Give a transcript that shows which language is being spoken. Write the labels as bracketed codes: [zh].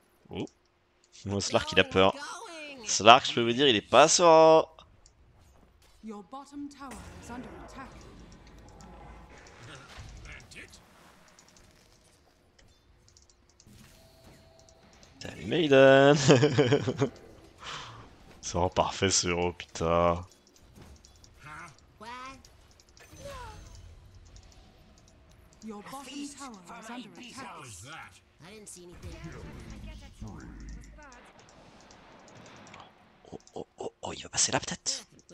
[fr] Oh, Slark, il a peur. Slark, je peux vous dire, il est pas serein. [en] Your bottom tower is under attack. [fr] Salut Maiden. C'est vraiment parfait ce héros, putain. [en] Your bottom tower is under attack. I didn't see anything. [fr] Oh, oh, oh, il va passer là peut-être.